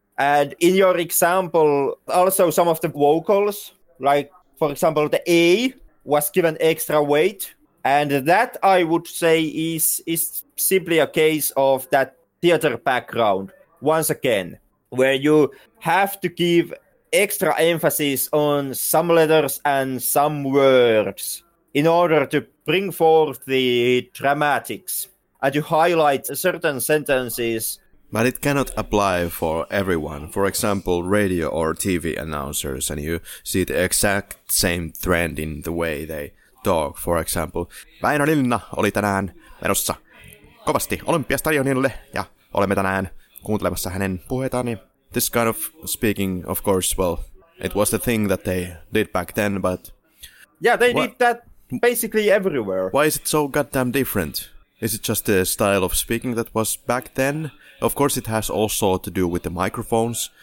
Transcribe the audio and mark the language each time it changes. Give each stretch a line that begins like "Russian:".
English: And in your example, also some of the vocals, like, for example, the A, was given extra weight, and that I would say is simply a case of that theater background once again, where you have to give extra emphasis on some letters and some words in order to bring forth the dramatics and to highlight certain sentences. But it cannot apply for everyone. For example, radio or TV announcers, and you see the exact same trend in the way they talk. For example,
Finnish: Väinö Linna oli tänään menossa kovasti Olympiastadionille, ja olemme tänään kuuntelemassa hänen puheitaan.
English: This kind of speaking, of course, well, it was the thing that they did back then, but... Yeah, they did that basically everywhere. Why is it so goddamn different Is it just the style of speaking that was back then? Of course, it has also to do with the microphones.